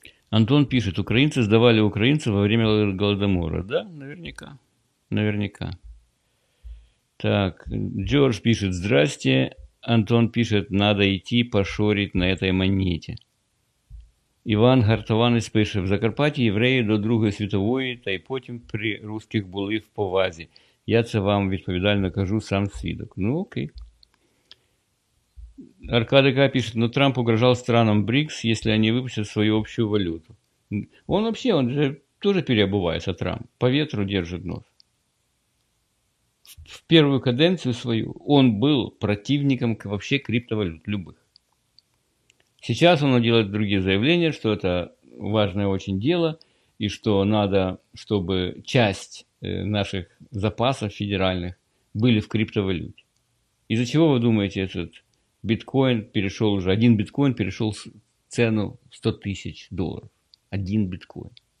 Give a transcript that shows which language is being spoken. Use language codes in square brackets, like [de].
[ru] Антон пишет, украинцы сдавали украинцев во время Голодомора. Да, наверняка. Наверняка. Так, Джордж пишет, здрасте. Антон пишет, надо идти пошорить на этой монете. [uk] Іван Гартованець пише, в Закарпатті євреї до Другої світової та й потім при русських були в повазі. Я це вам відповідально кажу, сам свідок. Ну, окей. Аркадий К. пише, ну Трамп угрожав странам БРІКС, якщо вони випустять свою общу валюту. Він взагалі, він же теж переобувається, Трамп. По вітру держить нос. В першу каденцію свою він був противником [ru] вообще криптовалют любых. Сейчас он делает другие заявления, что это важное очень дело, и что надо, чтобы часть наших запасов федеральных были в криптовалюте. Из-за чего, вы думаете, этот биткоин перешел уже, один биткоин перешел цену в 100 тысяч долларов? Один биткоин.